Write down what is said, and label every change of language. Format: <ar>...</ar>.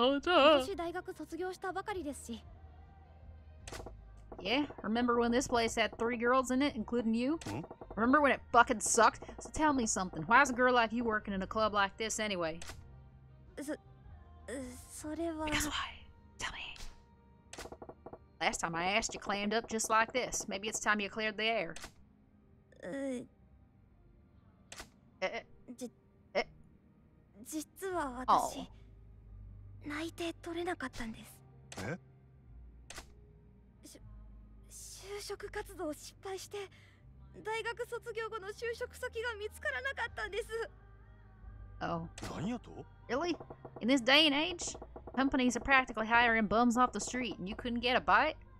<ja>はい、そうですね。古株って言っても、まだ働き始めて半年ですけど。私、大学卒業したばかりですし。</ja> <en>Yeah, remember when this place had 3 girls in it, including you? Hmm? Remember when it fucking sucked? So tell me something, why is a girl like you working in a club like this anyway?</en> <ja>それは…</ja> <en>Because why? Tell me. Last time I asked, you clammed up just like this. Maybe it's time you cleared the air.</en> <ja>じ、実は私、内定取れなかったんです。就職活動を失敗して、大学卒業後の就職先が見つからなかったんです。何やと?</ja> <en>Really? In this day and age, companies are practically hiring bums off the street, and you couldn't get a bite?</en>